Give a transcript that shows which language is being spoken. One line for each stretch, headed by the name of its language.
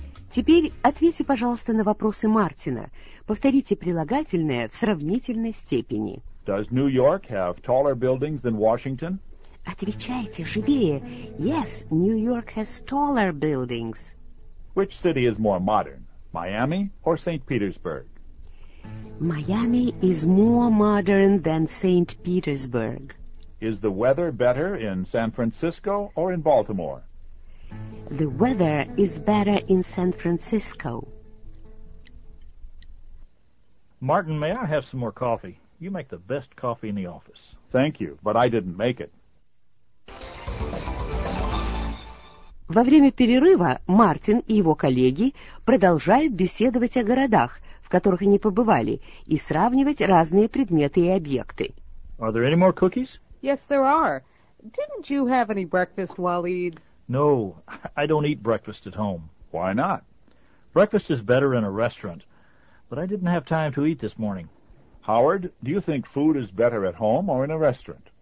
Russian: Теперь ответьте, пожалуйста, на вопросы Мартина. Повторите прилагательное в сравнительной степени.
English: Does New York have taller buildings than Washington?
Russian: Отвечайте живее.
English: Yes, New York has taller buildings. Which city is more modern, Miami or St. Petersburg? Miami is more modern than St. Petersburg. Is the weather better in San Francisco or in Baltimore? The weather is better in San Francisco. Martin, may I have some more coffee? You make the best coffee in the office. Thank you, but I didn't make it.
Russian: Во время перерыва Мартин и его коллеги продолжают беседовать о городах, в которых они побывали, и сравнивать разные предметы и объекты.
English: Are there any more cookies? Yes, there are. Didn't you have any breakfast, Walid? No, I don't eat breakfast at home. Why not? Breakfast is better in a restaurant, but I didn't have time to eat this morning. Howard, do you think food is better at home or in a restaurant?